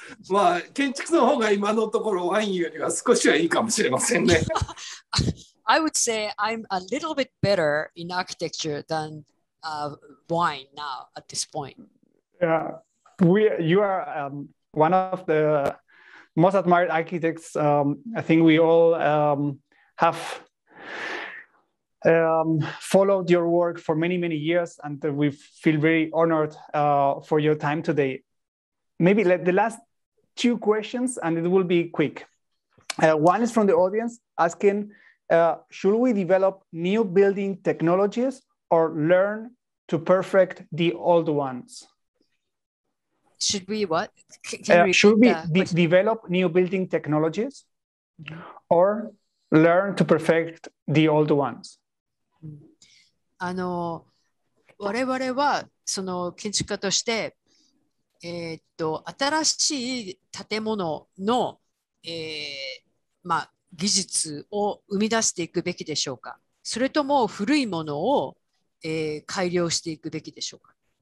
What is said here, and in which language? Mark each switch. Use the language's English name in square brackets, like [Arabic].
[Japanese] まあ建築の方が今のところワインよりは少しはいいかもしれませんね。 [English] I would say I'm a little bit better in architecture than wine now at this point. You are one of the most admired architects. I think we all have followed your work for many, many years, and we feel very honored for your time today. Maybe let the last two questions, and it will be quick. One is from the audience asking, should we develop new building technologies or learn to perfect the old ones? Should we what? Should we develop new building technologies or learn to perfect the old ones? [Japanese] 我々はその建築家として新しい建物の、まあ、技術を生み出していくべきでしょうか、それとも古いものを、改良していくべきでしょうか。